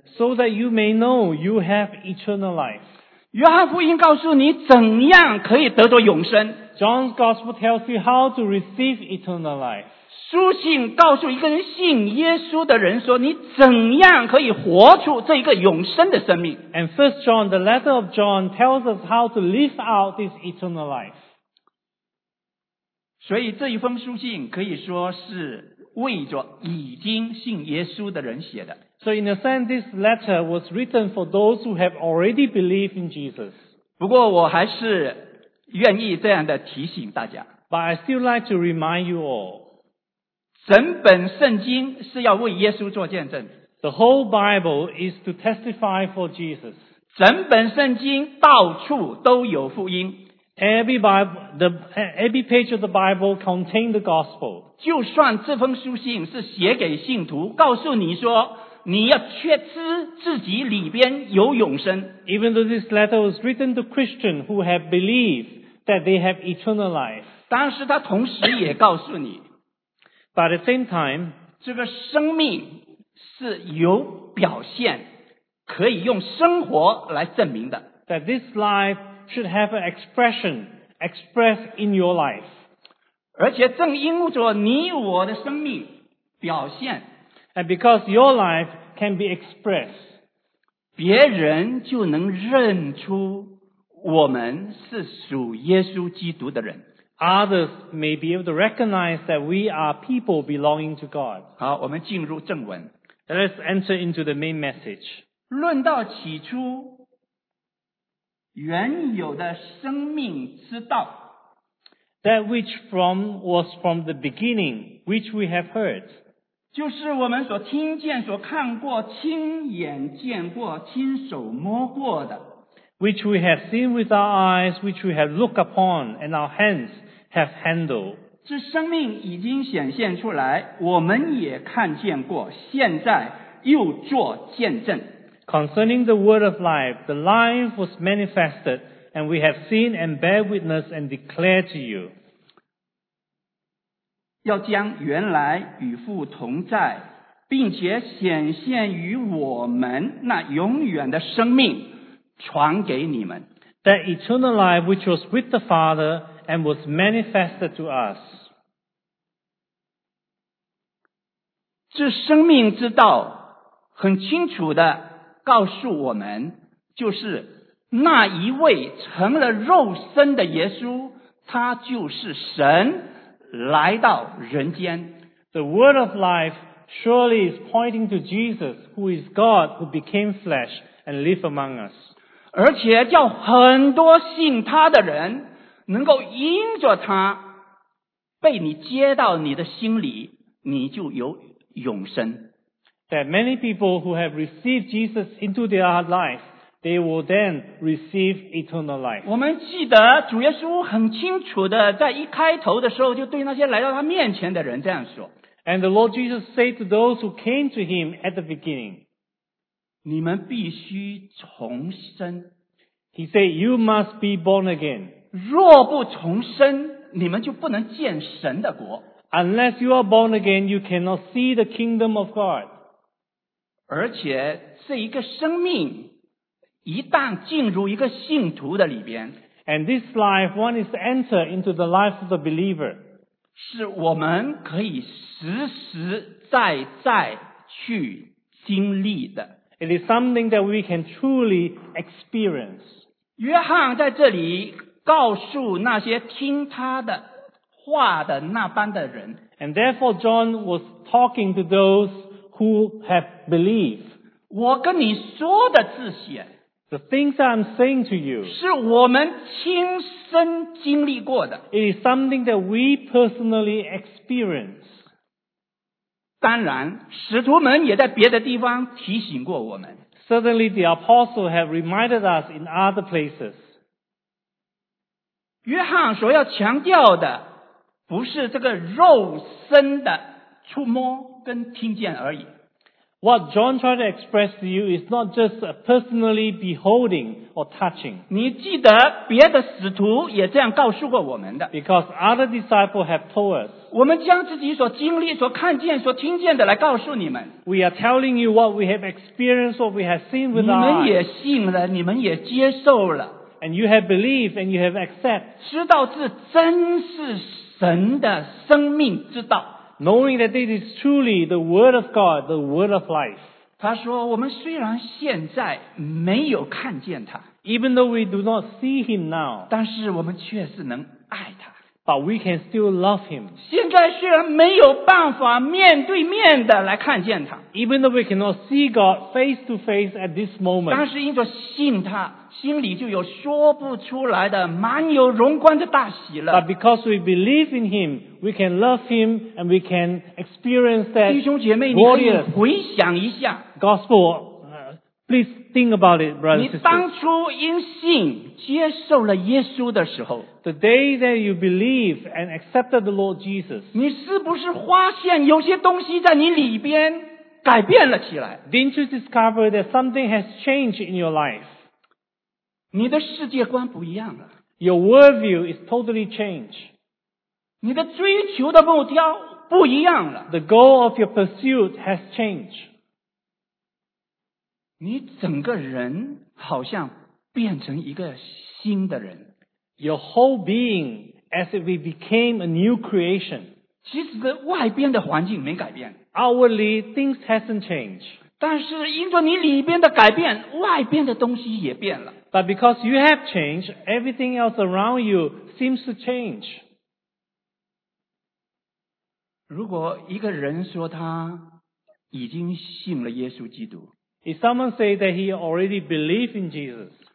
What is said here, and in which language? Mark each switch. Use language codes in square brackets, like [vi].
[en] So that you may know you have eternal life. [zh] 约翰福音告诉你怎样可以得着永生。 [en] John's Gospel tells you how to receive eternal life. [zh] 书信告诉一个人信耶稣的人说你怎样可以活出这一个永生的生命。 [en] And first John, the letter of John tells us how to live out this eternal life. [zh] 所以这一封书信可以说是为着已经信耶稣的人写的。 [en] So in a sense, this letter was written for those who have already believed in Jesus. [zh] 不过我还是愿意这样的提醒大家。 [en] But I still like to remind you all. [zh] 整本圣经是要为耶稣做见证。 [en] The whole Bible is to testify for Jesus. [zh] 整本圣经到处都有福音。 [en] Every page of the Bible contains the gospel. [zh] 就算这封书信是写给信徒，告诉你说你要确知自己里边有永生。 [en] Even though this letter was written to Christians who have believed that they have eternal life. [zh] 但是他同时也告诉你。 [en] But at the same time, [zh] 这个生命是有表现，可以用生活来证明的。 [en] That this life should have an expression expressed in your life. [zh] 而且正因着你我的生命表现。 [en] And because your life can be expressed, [zh] 别人就能认出我们是属耶稣基督的人。 [en] Others may be able to recognize that we are people belonging to God. [zh] 好，我们进入正文。 [en] Let's enter into the main message. [zh] 论到起初原有的生命之道。 [en] That which from was from the beginning, which we have heard. [zh] 就是我们所听见、所看过、亲眼见过、亲手摸过的。 [en] Which we have seen with our eyes, which we have looked upon, and our hands have handled. [zh] 这生命已经显现出来，我们也看见过，现在又做见证。 [en] Concerning the word of life, the life was manifested, and we have seen and bear witness and declare to you. [zh] 要将原来与父同在，并且显现于我们那永远的生命传给你们。 [en] That eternal life which was with the Father and was manifested to us. [zh] 这生命之道很清楚地告诉我们，就是那一位成了肉身的耶稣，他就是神来到人间。 [en] The word of life surely is pointing to Jesus, who is God, who became flesh and lived among us. [zh] 而且叫很多信他的人能够因着他被你接到你的心里，你就有永生。 [en] That many people who have received Jesus into their life, they will then receive eternal life. [zh] 我们记得主耶稣很清楚的在一开头的时候就对那些来到他面前的人这样说。 [en] And the Lord Jesus said to those who came to him at the beginning, [zh] 你们必须重生。 [en] He said, you must be born again. [zh] 若不重生，你们就不能见神的国。 [en] Unless you are born again, you cannot see the kingdom of God. [zh] 而且这一个生命一旦进入一个信徒的里边， [en] And this life, one is to enter into the life of the believer, [zh] 是我们可以实实在在去经历的。 [en] It is something that we can truly experience. [zh] 约翰在这里告诉那些听他的话的那般的人， [en] And therefore John was talking to those who have believed. [zh] 我跟你说的这些， [en] The things that I'm saying to you, [zh] 是我们亲身经历过的。 [en] It is something that we personally experience. [zh] 当然，使徒们也在别的地方提醒过我们。 [en] Certainly the apostles have reminded us in other places. [zh] 约翰所要强调的，不是这个肉身的触摸跟听见而已。 [en] What John tried to express to you is not just a personally beholding or touching. [zh] 你记得别的使徒也这样告诉过我们的。 [en] Because other disciples have told us. [zh] 我们将自己所经历、所看见、所听见的来告诉你们。 [en] We are telling you what we have experienced, what we have seen with our eyes. [zh] 你们也信了，你们也接受了。 [en] And you have believed and you have accepted. [zh] 知道这真是神的生命之道。 [en] Knowing that this is truly the word of God, the word of life. [zh] 他说我们虽然现在没有看见他， [en] Even though we do not see him now. [zh] 但是我们确实能爱他。 [en] But we can still love him. [zh] 现在虽然没有办法面对面的来看见他， [en] Even though we cannot see God face to face at this moment. [zh] 但是因着信他，心里就有说不出来的满有荣光的大喜了。 [en] But because we believe in him, we can love him and we can experience that glorious. [zh] 弟兄姐妹，你可以回想一下 [en] Gospel, please think about it, brothers and sisters. [zh] 你当初因信接受了耶稣的时候， [en] The day that you believe and accepted the Lord Jesus, [zh] 你是不是发现有些东西在你里边改变了起来？ [en] Didn't you discover that something has changed in your life? [zh] 你的世界观不一样了。 [en] Your worldview is totally changed. [zh] 你的追求的目标不一样了。 [en] The goal of your pursuit has changed. [zh] 你整个人好像变成一个新的人。 [en] Your whole being as if it became a new creation. [zh] 其实外边的环境没改变。 [en] Outwardly, things hasn't changed. [zh] 但是因着你里边的改变，外边的东西也变了。 [en] But because you have changed, everything else around you seems to change. [zh] 如果一个人说他已经信了耶稣基督。 [en] If someone say that he already believed in Jesus,